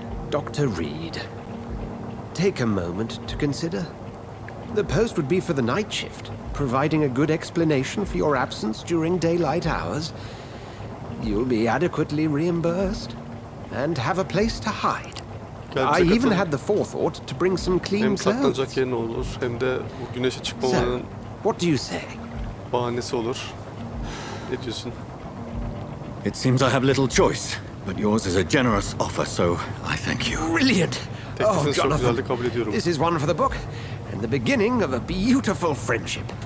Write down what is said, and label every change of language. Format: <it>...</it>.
<en>Dr. Reed, take a moment to consider. The post would be for the night shift, providing a good explanation for your absence during daylight hours. You'll be adequately reimbursed and have a place to hide. I even had the forethought to bring some clean clothes.</en> <tr>Hem saklanacak yerin olur, hem de bu güneşe çıkmamanın</tr> <en>what do you say?</en> <tr>Bahanesi olur. Ne diyorsun?</tr> <en>It seems I have little choice, but yours is a generous offer, so I thank you. Brilliant!</en> <tr>Teklifini çok güzel de kabul ediyorum.</tr> <en>This is one for the book, and the beginning of a beautiful friendship.</en>